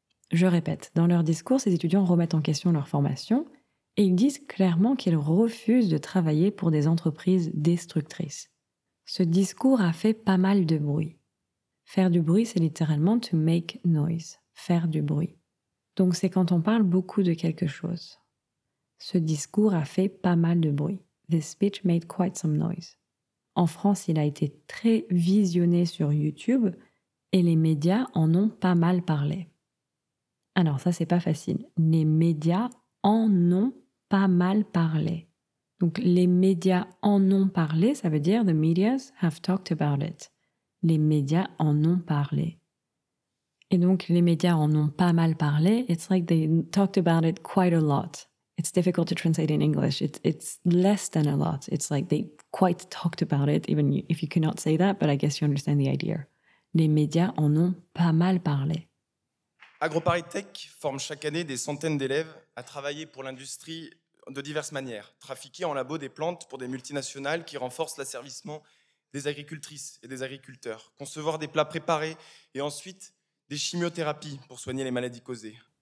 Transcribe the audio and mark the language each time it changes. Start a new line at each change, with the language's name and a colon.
French: Je répète, dans leur discours, ces étudiants remettent en question leur formation et ils disent clairement qu'ils refusent de travailler pour des entreprises destructrices. Ce discours a fait pas mal de bruit. Faire du bruit, c'est littéralement
English: to make noise,
French: faire du bruit. Donc c'est quand on parle beaucoup de quelque chose. Ce discours a fait pas mal de bruit.
English: This speech made quite some noise.
French: En France, il a été très visionné sur YouTube et les médias en ont pas mal parlé. Alors ça, c'est pas facile. Les médias en ont pas mal parlé. Donc les médias en ont parlé, ça veut dire
English: the medias have talked about it.
French: Les médias en ont parlé. Et donc les médias en ont pas mal parlé.
English: It's like they talked about it quite a lot. It's difficult to translate in English. It's less than a lot. It's like they quite talked about it, even if you cannot say that, but I guess you understand the idea.
French: Les médias en ont pas mal parlé. AgroParisTech forme chaque année des centaines d'élèves à travailler pour l'industrie de diverses manières. Trafiquer en labo des plantes pour des multinationales qui renforcent l'asservissement des agricultrices et des agriculteurs. Concevoir des plats préparés et ensuite des chimiothérapies pour soigner les maladies causées.